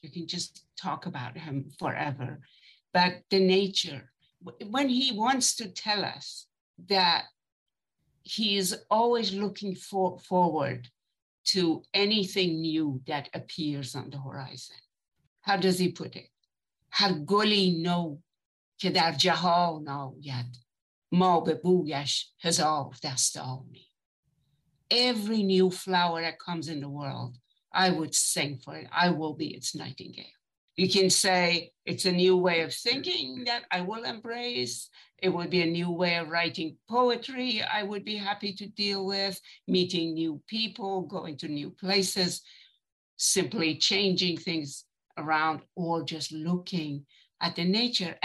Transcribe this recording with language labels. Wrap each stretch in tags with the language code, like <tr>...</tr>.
<en>You can just talk about him forever. But the nature, when he wants to tell us that he's always looking forward to anything new that appears on the horizon. How does he put it?</en> <fa>هر گلی نو که در جهان آید ما به بویش هزار دستانی.</fa> <en>Every new flower that comes in the world, I would sing for it. I will be its nightingale. You can say it's a new way of thinking that I will embrace. It would be a new way of writing poetry I would be happy to deal with, meeting new people, going to new places, simply changing things around, or just looking at the nature.</en>